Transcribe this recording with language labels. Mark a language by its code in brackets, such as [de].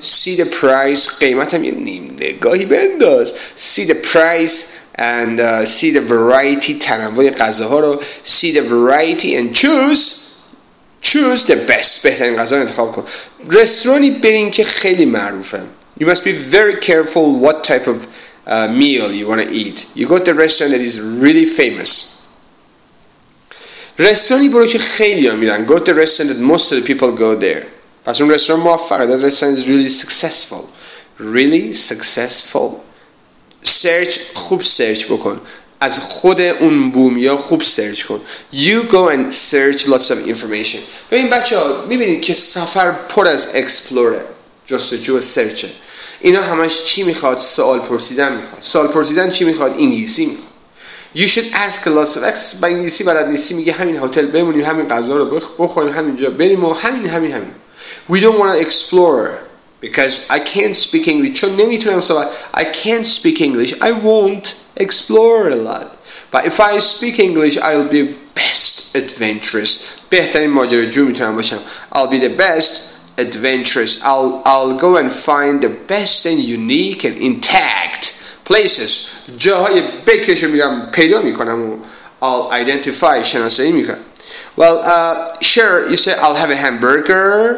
[en] See the price. [fa] قیمت هم یه نیم نگاهی بنداز. [en] See the price and see the variety. [fa] تنوع غذاها رو. [en] See the variety and choose. Choose the best. [fa] بهترین غذا رو انتخاب کن. رستورانی برین که خیلی معروفه. [en] You must be very careful what type of meal you want to eat. You go to the restaurant that is really famous. [fa] رستورانی برو که خیلی ها میرن. [en] Go to the restaurant that most of the people go there. [fa] پس اون رستوران موفقه. [en] That restaurant is really successful. Really successful. Search. [fa] خوب search بکن. از خود اون بومیا خوب search کن. [en] You go and search lots of information. [fa] ببین بچه ها میبینید که سفر پر از explore. جستجو و search. اینا همش چی میخواد؟ سوال پرسیدن میخواد. سوال پرسیدن چی میخواد؟ انگلیسی میخواد. [en] You should ask lots of experts. [fa] با انگلیسی بلد نیستی میگه همین هتل بمونیم، همین غذا رو بخوریم، همینجا بریم و همین. [en] We don't want to explore because I can't speak English. [fa] چون نمیتونم صحبت. [en] I can't speak English. I won't explore a lot. But if I speak English, I'll be best adventurous. [fa] بهترین ماجراجو میتونم باشم. [en] I'll be the best adventurous. I'll go and find the best and unique and intact places. [fa] جاهای بکرشو میگم پیدا میکنم و [en] I'll identify [fa] شناسایی میکنم. [en] Well, sure, you say I'll have a hamburger.